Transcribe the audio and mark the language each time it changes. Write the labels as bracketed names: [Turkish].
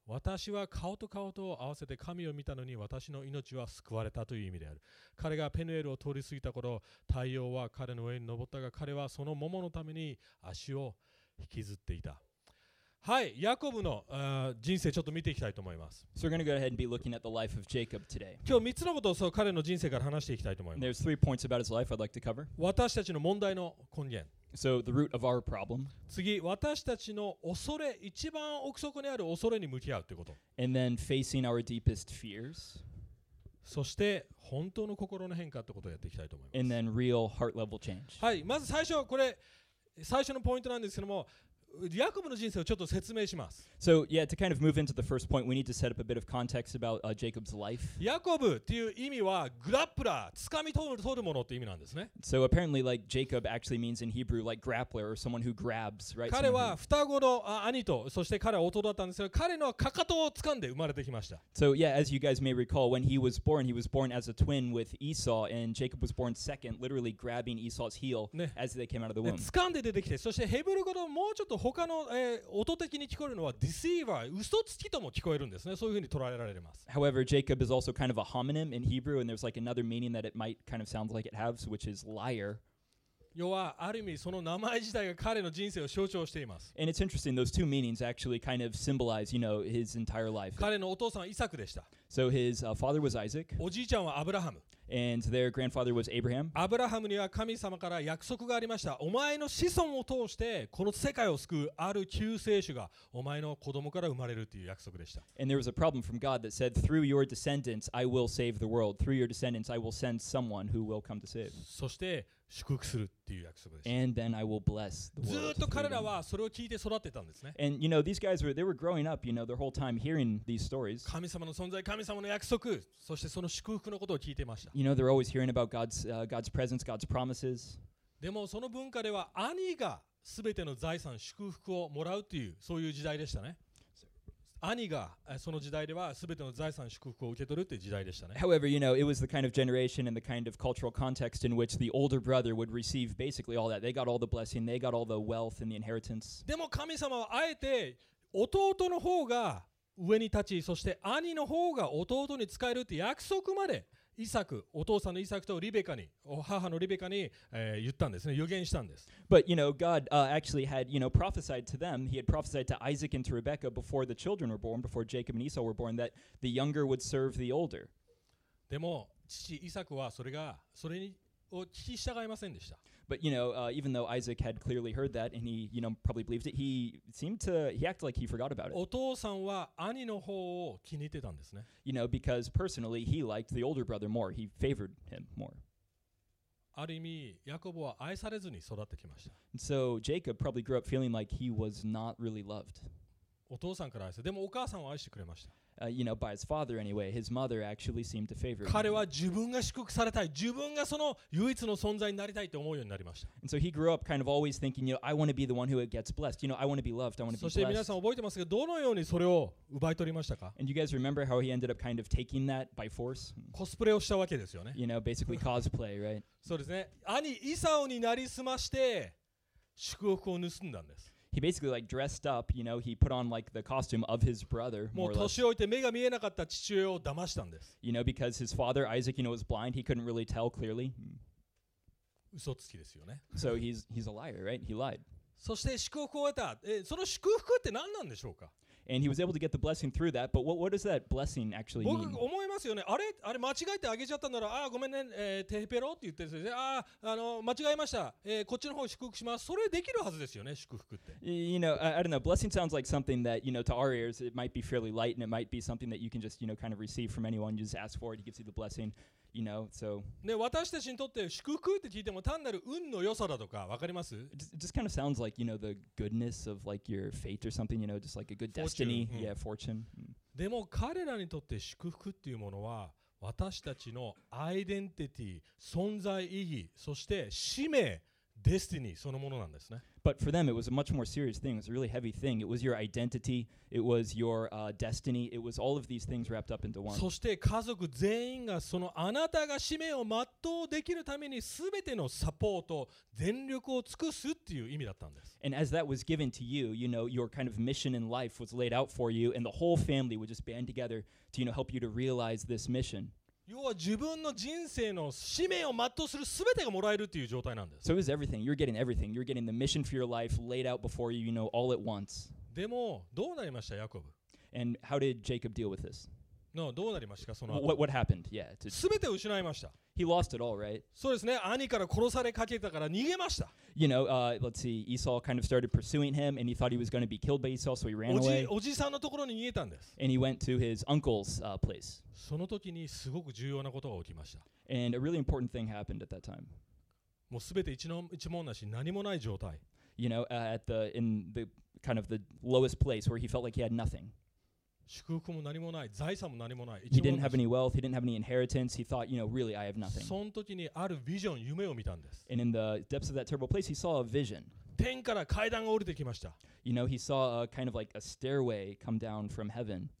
[Japanese] 私は顔と顔とを合わせて神を見たのに私の命は救われたという意味である。彼がペヌエルを通り過ぎた頃、太陽は彼の上に昇ったが、彼はその桃のために足を引きずっていた。はい、ヤコブの、人生ちょっと見ていきたいと思います。 [English] So we're going to go ahead and be looking at the life of Jacob today. [Japanese] 今日3つのことをそう彼の人生から話していきたいと思います。 [English] There's three points about his life I'd like to cover. [Japanese] 私たちの問題の根源。 [English] So the root of our problem. [Japanese] 次、私たちの恐れ、一番奥底にある恐れに向き合うということ。 [English] And then facing our deepest fears. [Japanese] そして本当の心の変化ってことをやっていきたいと思います。 [English] And then real heart level change. [Japanese] はい、まず最初はこれ、最初のポイントなんですけども、ヤコブの人生をちょっと説明します。 [English] So, yeah, to kind of move into the first point, we need to set up a bit of context about Jacob's life. [Japanese] ヤコブっていう意味はグラップラー、つかみ取るものっていう意味なんですね。 [English] So apparently, like, Jacob actually means in Hebrew, like, grappler, or someone who grabs, right? [Japanese] 彼は双子の兄と、そして彼は弟だったんですけど、彼のかかとを掴んで生まれてきました。 [English] So, yeah, as you guys may recall, when he was born as a twin with Esau, and Jacob was born second, literally grabbing Esau's heel as they came out of the womb. [Japanese] 掴んで出てきて、そしてヘブル語のもうちょっと他の、音的に聞こえるのは deceiver、嘘つきとも聞こえるんですね。そういうふうに捉えられます。 [English] However, Jacob is also kind of a homonym in Hebrew, and there's like another meaning that it might kind of sounds like it has, which is liar. [Japanese] 要はある意味その名前自体が彼の人生を象徴しています。 [English] And it's interesting, those two meanings actually kind of symbolize, you know, his entire life. [Japanese] 彼のお父さんはイサクでした。 [English] So his father was Isaac. [Japanese] おじいちゃんはアブラハム。 [English] And their grandfather was Abraham. [Japanese] Abraham には神様から約束がありました。お前の子孫を通してこの世界を救うある救世主がお前の子供から生まれるという約束でした。 [English] And there was a problem from God that said, through your descendants, I will save the world. Through your descendants, I will send someone who will come to save. [Japanese] そして祝福するっていう約束でした。 [English] And then I will bless the world. [Japanese] ずっと彼らはそれを聞いて育ってたんですね。 [English] And you know, these guys they were growing up, you know, their whole time hearing these stories. [Japanese] 神様の存在、神様の約束、そしてその祝福のことを聞いていました。 [English] You know, they're always hearing about God's presence, God's promises. [Japanese] でもその文化では兄がすべての財産、祝福をもらうというそういう時代でしたね。兄がその時代ではすべての財産祝福を受け取るって時代でしたね。 [English] However, you know, it was the kind of generation and the kind of cultural context in which the older brother would receive basically all that. They got all the blessing, they got all the wealth and the inheritance. [Japanese] でも神様はあえて弟の方が上に立ち、そして兄の方が弟に仕えるって約束までイサク、お父さんのイサクとリベカに、お母のリベカに、言ったんですね、予言したんです。 [English] But you know, God actually had, you know, prophesied to them. He had prophesied to Isaac and to Rebekah before the children were born, before Jacob and Esau were born, that the younger would serve the older. [Japanese] でも父イサクはそれを聞き従いませんでした。 [English] But you know, even though Isaac had clearly heard that and he, you know, probably believed it, he acted like he forgot about it. [Japanese] お父さんは兄の方を気に入ってたんですね。 [English] You know, because personally he liked the older brother more. He favored him more. [Japanese] ある意味、ヤコブは愛されずに育ってきました。 [English] So Jacob probably grew up feeling like he was not really loved. [Japanese] お父さんから愛され、でもお母さんは愛してくれました。 [English] You know, by his father anyway, his mother actually seemed to favor him. [Japanese] 彼は自分が祝福されたい、自分がその唯一の存在になりたいと思うようになりました。 [English] And so he grew up kind of always thinking, you know, I want to be the one who gets blessed. You know, I want to be loved. I want to be blessed. [Japanese] そして皆さん覚えてますが、どのようにそれを奪い取りましたか？ [English] And you guys remember how he ended up kind of taking that by force? [Japanese] コスプレをしたわけですよね。 [English] You know, basically cosplay, right? [Japanese] そうですね。兄イサオになりすまして祝福を盗んだんです。 [English] He basically like dressed up, you know, he put on like the costume of his brother, more or less. You know, because his father, Isaac, you know, was blind, he couldn't really tell clearly. So he's a liar, right? He lied. [Japanese] そして祝福を得た。その祝福って何なんでしょうか？ [English] And he was able to get the blessing through that, but what does that blessing actually mean? [Japanese] 僕思いますよね。あれ間違えてあげちゃったんだろう。ごめんね、テヘペロって言ってるんですよ。間違えました。こっちの方祝福します。それできるはずですよね、祝福って。 [English] You know, I don't know, blessing sounds like something that, you know, to our ears, it might be fairly light, and it might be something that you can just, you know, kind of receive from anyone, you just ask for it, he gives you the blessing. You know, so. [Japanese] ね、私たちにとって祝福って聞いても単なる運の良さだとか分かります？ [English] It just kind of sounds like, you know, the goodness of like your fate or something, you know, just like a good destiny, yeah, fortune. [Japanese] でも彼らにとって祝福っていうものは私たちのアイデンティティ、存在意義、そして使命、デスティニーそのものなんですね。 [English] But for them, it was a much more serious thing. It was a really heavy thing. It was your identity. It was your destiny. It was all of these things wrapped up into one. [Japanese] そして家族全員がそのあなたが使命を全うできるために全てのサポート、全力を尽くすっていう意味だったんです。 [English] And as that was given to you, you know, your kind of mission in life was laid out for you, and the whole family would just band together to, you know, help you to realize this mission. [Japanese] 要は自分の人生の使命を全うする全てがもらえるという状態なんです。 [English] So it was everything. You're getting everything. You're getting the mission for your life laid out before you, you know, all at once. [Japanese] でも、どうなりました、ヤコブ？ [English] And how did Jacob deal with this? [Japanese] No, どうなりましたか、その後。 [English] What happened? Yeah. [Japanese] 全てを失いました。 [English] He lost it all, right? [Japanese] そうですね。兄から殺されかけたから逃げました。 [English] You know, let's see. Esau kind of started pursuing him and he thought he was going to be killed by Esau, so he ran away. [Japanese] おじさんのところに逃げたんです。 [English] And he went to his uncle's place. [Japanese] その時にすごく重要なことが起きました。 [English] And a really important thing happened at that time. [Japanese] もうすべて一文なし、何もない状態。 [English] you know, at the in the kind of the lowest place where he felt like he had nothing. He didn't have any wealth. He didn't have any inheritance. He thought, you know, really, I have nothing. And in the depths of that terrible place, he saw a vision. You know, he saw a kind of like a stairway come down from heaven.